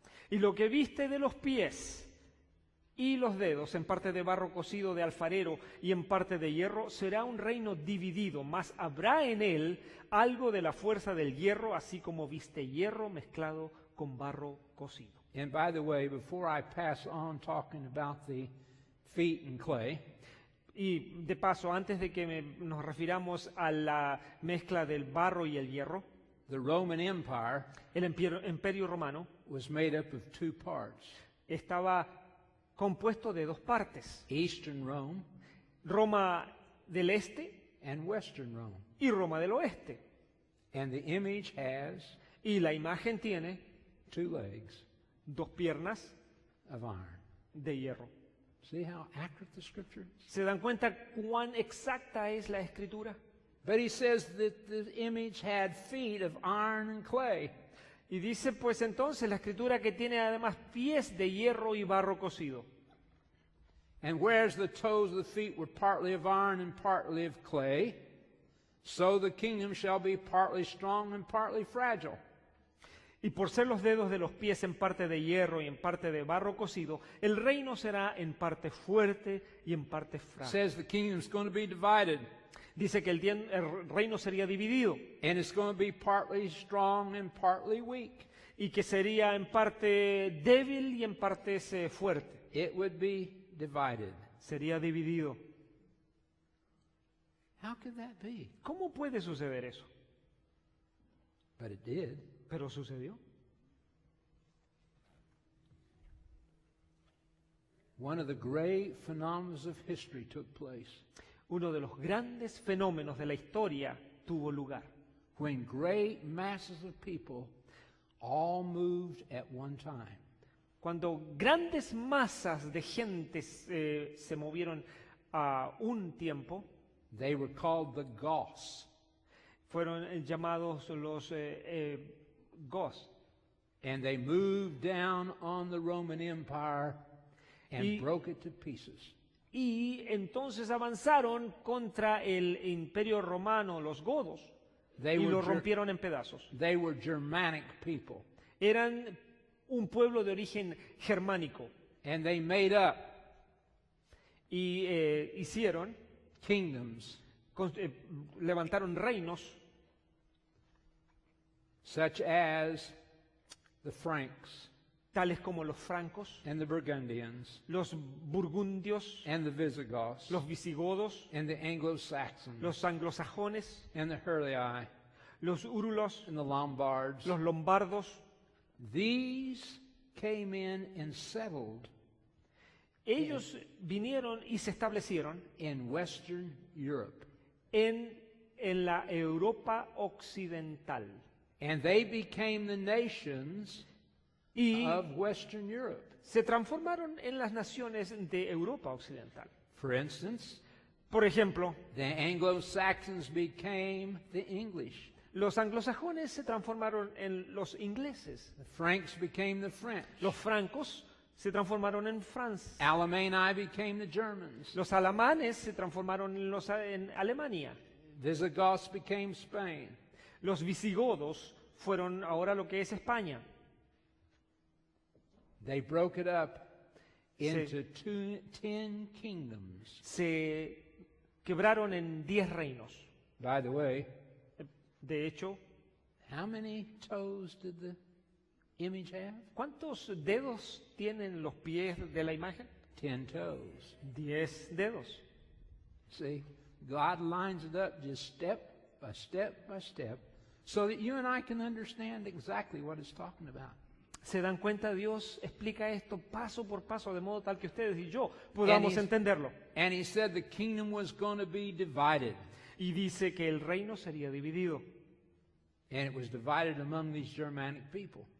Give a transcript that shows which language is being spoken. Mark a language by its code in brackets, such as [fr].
[es] Y lo que viste de los pies y los dedos, en parte de barro cocido de alfarero y en parte de hierro, será un reino dividido, mas habrá en él algo de la fuerza del hierro, así como viste hierro mezclado con barro cocido. [en] And by the way, before I pass on talking about the feet and clay, [es] y de paso, antes de que nos refiramos a la mezcla del barro y el hierro, [en] the Roman Empire, [es] el Imperio Romano, [en] was made up of two parts. [es] Estaba compuesto de dos partes. [en] Eastern Rome, [es] Roma del Este, [en] and Western Rome, [es] y Roma del Oeste. [en] And the image has, [es] y la imagen tiene, [en] two legs, [es] dos piernas, [en] of iron, [es] de hierro. [en] See how accurate the scripture is? [es] ¿Se dan cuenta cuán exacta es la escritura? [en] But he says that the image had feet of iron and clay. [es] Y dice pues entonces la escritura que tiene además pies de hierro y barro cocido. [en] And whereas the toes of the feet were partly of iron and partly of clay, so the kingdom shall be partly strong and partly fragile. [es] Y por ser los dedos de los pies en parte de hierro y en parte de barro cocido, el reino será en parte fuerte y en parte frágil. [en] Says the kingdom is going to be divided. [es] Dice que el reino sería dividido. [en] And it's going to be partly strong and partly weak. [es] Y que sería en parte débil y en parte fuerte. [en] It would be divided. [es] Sería dividido. [en] How could that be? [es] ¿Cómo puede suceder eso? [en] But it did. [es] Pero sucedió. [en] One of the great phenomena of history took place. [es] Uno de los grandes fenómenos de la historia tuvo lugar. [en] When great masses of people all moved at one time. [es] Cuando grandes masas de gente se movieron a un tiempo. [en] They were called the Goths. [es] Fueron llamados los Goths. [en] And they moved down on the Roman Empire and broke it to pieces. [es] Y entonces avanzaron contra el Imperio Romano, los godos, y lo rompieron en pedazos. [en] They were Germanic people. [es] Eran un pueblo de origen germánico. [en] And they made up. [es] Y hicieron [en] kingdoms. [es] Levantaron reinos, [en] such as the Franks, [es] tales como los francos, [en] and the Burgundians, [es] los burgundios, [en] and the Visigoths, [es] los visigodos, [en] and the Anglo-Saxons, [es] los anglosajones, [en] and the Heruli, [es] los urulos, [en] and the Lombards, [es] los lombardos. [en] These came in and settled. [es] Ellos vinieron y se establecieron [en] in Western Europe, [es] en la Europa occidental. [en] And they became the nations of Western Europe. [es] Se transformaron en las naciones de Europa occidental. [en] For instance, [es] por ejemplo, [en] the Anglo-Saxons became the English. [es] Los anglosajones se transformaron en los ingleses. [en] The Franks became the French. [es] Los francos se transformaron en Francia. [en] Alemanni became the Germans. [es] Los alemanes se transformaron en Alemania. [en] The Visigoths became Spain. [es] Los visigodos fueron ahora lo que es España. [en] They broke it up into 10 kingdoms. [es] Se quebraron en 10 reinos. [en] By the way, [es] de hecho, [en] how many toes did the image have? [es] ¿Cuántos dedos tienen los pies de la imagen? [en] 10 toes. [es] 10 dedos. [en] See, God lines it up just step by step by step, so that you and I can understand exactly what it's talking about. [es] Se dan cuenta, Dios explica esto paso por paso de modo tal que ustedes y yo podamos entenderlo. [en] And he said the kingdom was going to be divided. [es] Y dice que el reino sería dividido. [en] And it was divided among these Germanic people.